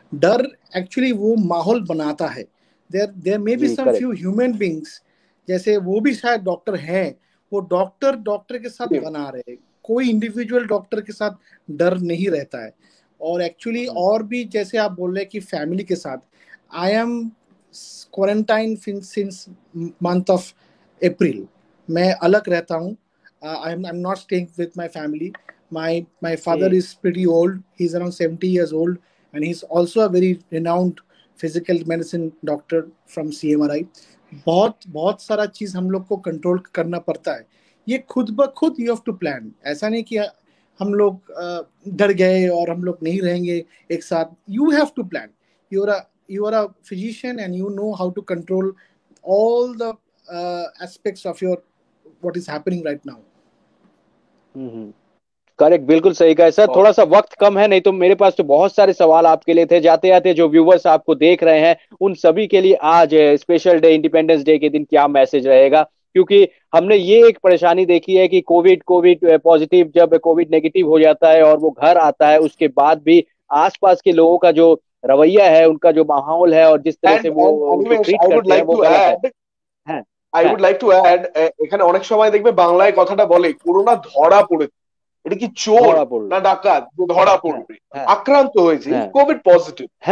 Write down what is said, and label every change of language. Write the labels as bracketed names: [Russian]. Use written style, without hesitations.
[Hindi] डर एक्चुअली वो माहौल बनाता है. देर may be some few human beings जैसे वो भी शायद डॉक्टर हैं, वो डॉक्टर डॉक्टर के साथ बना रहे, कोई इंडिविजुअल डॉक्टर के साथ डर नहीं रहता है. और एक्चुअली और भी जैसे आप बोल रहे कि फैमिली के साथ, I am quarantine since month of April. मैं अलग रहता हूँ. [English] I'm not staying with my family. My father is pretty old. He's around 70 years old. And he's also a very renowned physical medicine doctor from CMRI. [Hindi] बहुत बहुत सारा चीज हम लोग को कंट्रोल करना पड़ता है. ये खुद ब खुद यू हैव टू प्लान. ऐसा नहीं कि हम लोग डर गए और हम लोग नहीं रहेंगे एक साथ. You have to plan. [English] You are a physician and you know how to control all the aspects of your what is happening right now. [Hindi] Correct, बिल्कुल सही कहा सर. थोड़ा सा वक्त कम है, नहीं तो मेरे पास तो बहुत सारे सवाल आपके लिए थे. जाते जाते जो व्यूवर्स आपको देख रहे हैं उन सभी के लिए आज स्पेशल डे इंडिपेंडेंस डे के दिन क्या मैसेज रहेगा? क्योंकि हमने ये एक परेशानी देखी है कि कोविड कोविड पॉजिटिव जब कोविड नेगेटिव हो जाता है और वो घर आता है, उसके बाद भी आस पास के लोगों का जो रवैया है, उनका जो माहौल है और जिस तरह से वो ट्रीट करते हैं वो गलत है. [Bangla] I would like to add, এখানে অনেক সময় দেখবে বাংলায় কথাটা বলে করোনা ধরা পড়েছে. এটা কি চোর না ডাকাত? ধরা পড়বে, আক্রান্ত হয়েছে কোভিড পজিটিভ.